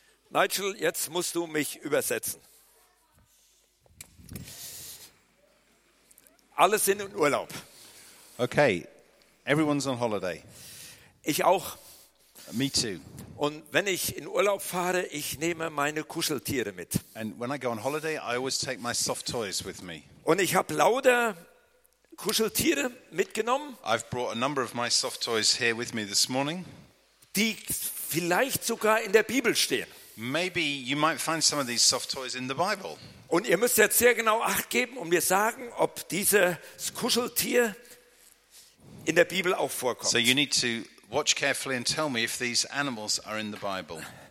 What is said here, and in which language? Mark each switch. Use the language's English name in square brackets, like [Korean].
[German] Nigel, jetzt musst du mich übersetzen. Alle sind in Urlaub. [English] Okay. Everyone's on holiday. [German] Ich auch. [English] Me too. [German] Und wenn ich in Urlaub fahre, ich nehme meine Kuscheltiere mit. [English] And when I go on holiday, I always take my soft toys with me. [German] Und ich habe lauter Kuscheltiere mitgenommen. [English] I've brought a number of my soft toys here with me this morning. [German] Die vielleicht sogar in der Bibel stehen. [English] Maybe you might find some of these soft toys in the Bible. [German] Und ihr müsst jetzt sehr genau Acht geben und mir sagen, ob dieses Kuscheltier in der Bibel auch vorkommt. [English] So you need to watch carefully and tell me if these animals are in the Bible.